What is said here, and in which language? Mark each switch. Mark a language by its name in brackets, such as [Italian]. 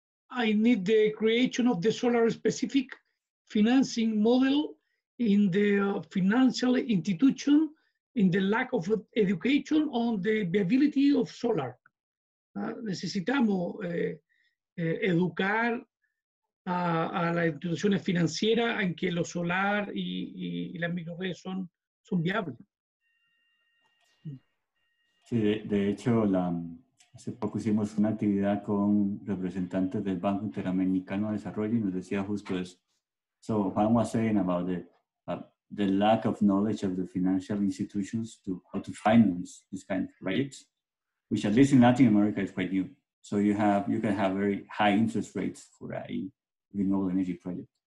[English] I need the creation of the solar specific financing model in the financial institution in the lack of education on the viability of solar. [Spanish] Necesitamos educar a las instituciones financieras en que lo solar y las microredes son viables. Sí, de hecho, hace poco hicimos una actividad con representantes del Banco Interamericano de Desarrollo y nos decía justo eso. [English] So Juan was saying about the lack of knowledge of the financial institutions to how to finance this kind of projects, which at least in Latin America is quite new. So you can have very high interest rates for a renewable energy project.